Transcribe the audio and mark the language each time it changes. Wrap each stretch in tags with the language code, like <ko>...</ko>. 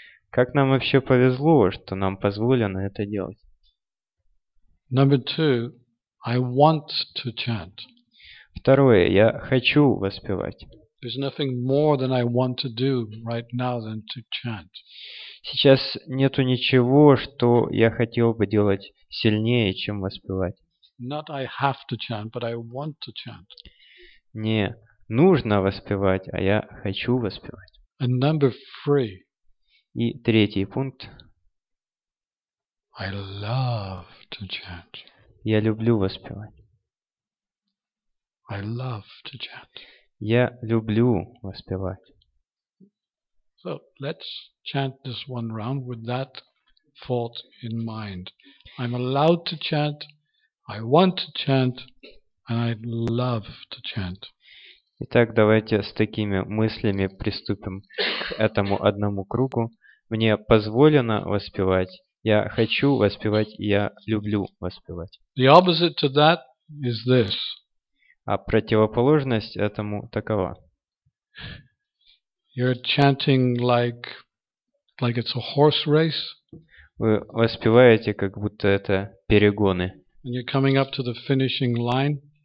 <ru>Как нам вообще повезло, что нам позволено это делать?</ru> <en>Number two, I want to chant.</en> <ru>Второе, я хочу воспевать.</ru> <en>There's nothing more than I want to do right now than to chant.</en> <ru>Сейчас нету ничего, что я хотел бы делать сильнее, чем воспевать.</ru> <en>Not I have to chant, but I want to chant.</en> <ru>Не нужно воспевать, а я хочу воспевать.</ru> <en>And number three.</en> <ru>И третий пункт.</ru> <en>I love to chant.</en> <ru>Я люблю воспевать.</ru> <en>I love to chant.</en> <ru>Я люблю воспевать.</ru> <en>So, let's chant this one round with that thought in mind. I'm allowed to chant, I want to chant, and I'd love to chant.</en> <ru>Итак, давайте с такими мыслями приступим к этому одному кругу. Мне позволено воспевать, я хочу воспевать, я люблю воспевать.</ru> <en>The opposite to that is this.</en> <ru>А противоположность этому такова.</ru> <en>You're chanting like it's a horse race.</en> <ru>Вы воспеваете, как будто это перегоны.</ru> <en>And you're coming up to the finishing line.</en>